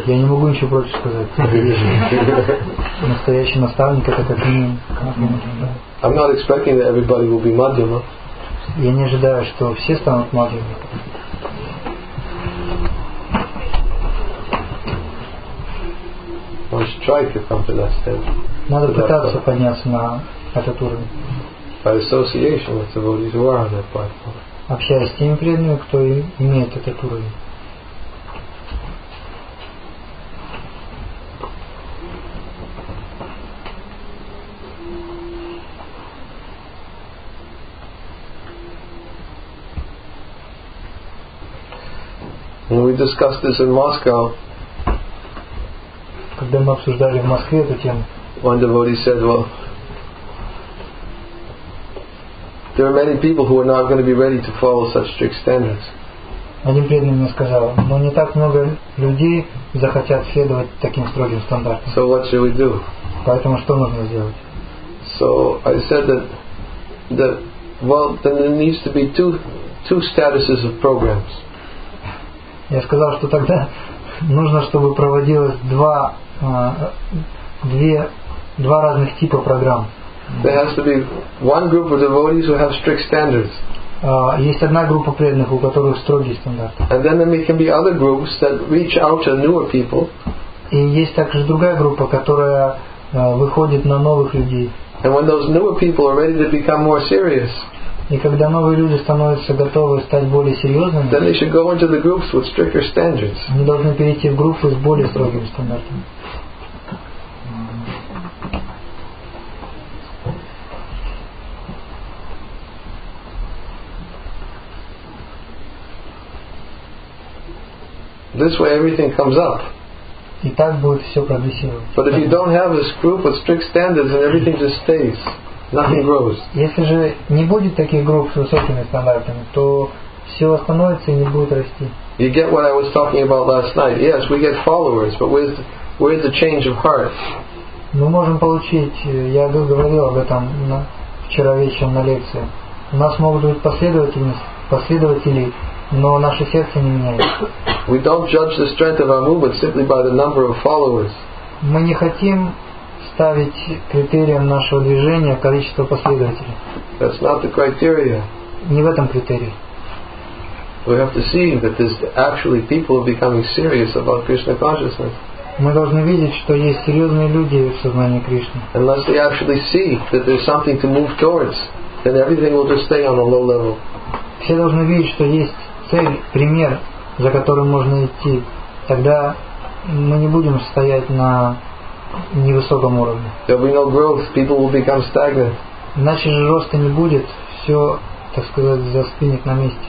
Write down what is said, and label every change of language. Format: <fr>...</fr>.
<ru>Я не могу ничего против сказать. Настоящий наставник это как мы.</ru> <en>I'm not expecting that everybody will be Madhyama.</en> <ru>Я не ожидаю, что все станут Madhyama.</ru> <en>Let's try to come to that stage.</en> <ru>Надо пытаться подняться на этот уровень.</ru> <en>By association with devotees who are on that platform.</en> <ru>Общаясь с теми преданными, кто имеет этот уровень.</ru> <en>When we discussed this in Moscow,</en> <ru>когда мы обсуждали в Москве эту тему,</ru> <en>one devotee said, well, there are many people who are not going to be ready to follow such strict standards.</en> <ru>Один преданный мне сказал, но не так много людей захотят следовать таким строгим стандартам.</ru> <en>So what should we do?</en> <ru>Поэтому что нужно сделать?</ru> <en>So I said that there needs to be two statuses of programs.</en> <ru>Я сказал, что тогда нужно, чтобы проводилось два разных типа программ.</ru> <en>There has to be one group of devotees who have strict standards.</en> <ru>Есть одна группа преданных, у которых строгий стандарт.</ru> <en>And then there can be other groups that reach out to newer people.</en> <ru>И есть также другая группа, которая выходит на новых людей.</ru> <en>And when those newer people are ready to become more serious.</en> <ru>И когда новые люди становятся готовы стать более серьезными,</ru> <en>then they should go into the groups with stricter standards.</en> <ru>Они должны перейти в группы с более строгим стандартом.</ru> <en>This way everything comes up.</en> <ru>И так будет все прогрессировать.</ru> <en>But if you don't have this group with strict standards, then everything just stays. Nothing grows.</en> <ru>Если же не будет таких групп с высокими стандартами, то все остановится и не будет расти.</ru> <en>You get what I was talking about last night. Yes, we get followers, but where's the change of heart?</en> <ru>Мы можем получить, я говорил об этом вчера вечером на лекции. У нас могут быть последователи, но наше сердце не меняется.</ru> <en>We don't judge the strength of our movement simply by the number of followers.</en> <ru>Мы не хотим ставить критерием нашего движения количество последователей.</ru> <en>That's not the criteria.</en> <ru>Не в этом критерии.</ru> <en>We have to see that there's actually people becoming serious about Krishna consciousness.</en> <ru>Мы должны видеть, что есть серьезные люди в сознании Кришны.</ru> <en>Unless they actually see that there's something to move towards, then everything will just stay on a low level.</en> <ru>Все должны видеть, что есть цель, пример, за которым можно идти. Тогда мы не будем стоять на невысоком уровне.</ru> <en>There will be no growth. People will become stagnant.</en> <ru>Иначе же роста не будет, все, так сказать, застынет на месте.</ru>